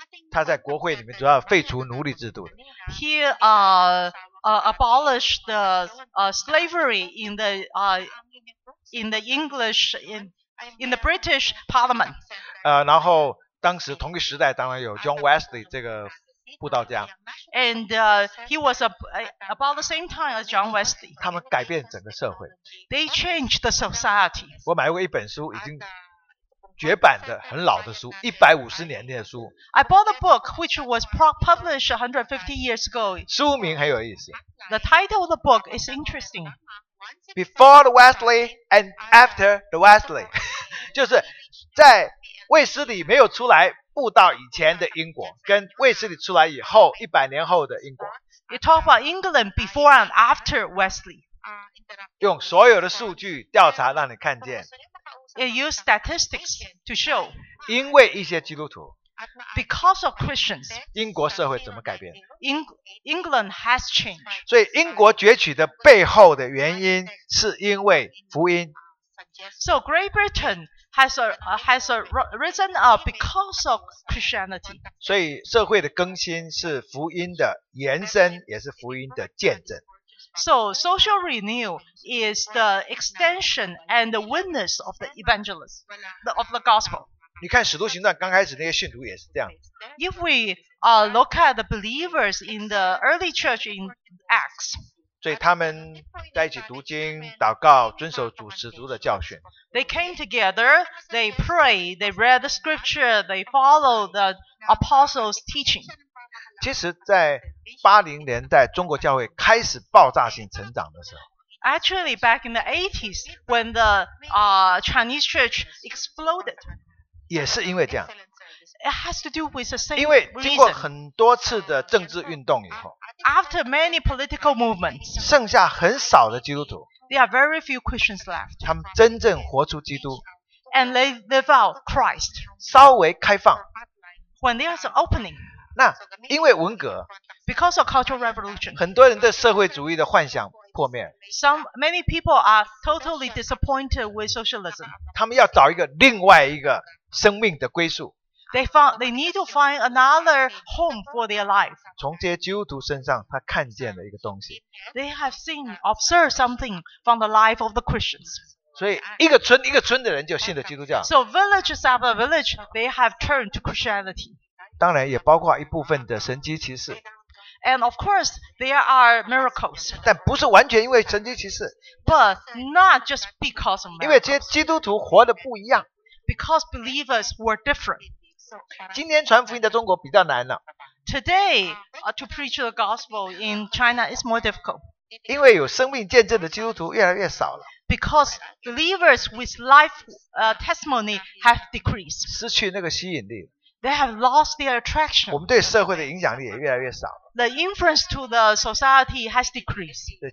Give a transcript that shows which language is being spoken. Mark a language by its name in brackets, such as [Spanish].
[Chinese] 他在国会里面主要废除奴隶制度的。 [English] He abolished the slavery in the in the British Parliament. [Chinese] 然后当时同一时代当然有 John Wesley 这个布道家。 [English] And he was about the same time as John Wesley. [Chinese] 他们改变整个社会。 [English] They changed the society. [Chinese] 我买过一本书，已经绝版的，很老的书，150年的书。 [English] I bought a book which was published 150 years ago. [Chinese] 书名很有意思。 [English] The title of the book is interesting. Before the Wesley and after the Wesley, [Chinese] 就是在卫斯理没有出来布道以前的英国，跟卫斯理出来以后100年后的英国。 [English] You talk about England before and after Wesley. [Chinese] 用所有的数据调查让你看见。 [English] It used statistics to show. [Chinese] 因为一些基督徒。 [English] Because of Christians. [Chinese] 英国社会怎么改变？ [English] England has changed. [Chinese] 所以英国崛起的背后的原因是因为福音。 [English] So Great Britain has risen up because of Christianity. [Chinese] 所以社会的更新是福音的延伸，也是福音的见证。 [English] So social renewal is the extension and the witness of the evangelist, of the gospel. [Chinese] 你看《使徒行传》刚开始那些信徒也是这样。 [English] If we look at the believers in the early church in Acts. [Chinese] 所以他们在一起读经、祷告、遵守主使徒的教训。 [English] They came together, they prayed, they read the scripture, they followed the apostles' teaching. [Chinese] 其实在80年代中国教会开始爆炸性成长的时候 [English] Actually back in the 80s when the Chinese church exploded [Chinese] 也是因为这样 [English] It has to do with the same reason [Chinese] 因为经过很多次的政治运动以后 [English] After many political movements [Chinese] 剩下很少的基督徒 [English] There are very few Christians left [Chinese] 他们真正活出基督 [English] And they live out Christ [Chinese] 稍微开放 [English] When there is an opening [Chinese] 那因为文革 [English] Because of cultural revolution, [Chinese] 很多人对社会主义的幻想破灭 [English] many people are totally disappointed with socialism. [Chinese] 他们要找一个另外一个生命的归宿 [English] they need to find another home for their life. [Chinese] 从这些基督徒身上他看见了一个东西 [English] They have seen, observed something from the life of the Christians. [Chinese] 所以一个村一个村的人就信了基督教 [English] So villages after village, they have turned to Christianity. [Chinese] 当然也包括一部分的神迹奇事 [English] And of course, there are miracles. [Chinese] 但不是完全因为神迹奇事 [English] But not just because of miracles. [Chinese] 因为这些基督徒活得不一样 [English] Because believers were different. [Chinese] 今天传福音在中国比较难了 [English] Today, to preach the gospel in China is more difficult. [Chinese] 因为有生命见证的基督徒越来越少了 [English] Because believers with life testimony have decreased. [Chinese] 失去那个吸引力 [English] They have lost their attraction. [Chinese] 我们对社会的影响力也越来越少。 [English] The influence to the society has decreased.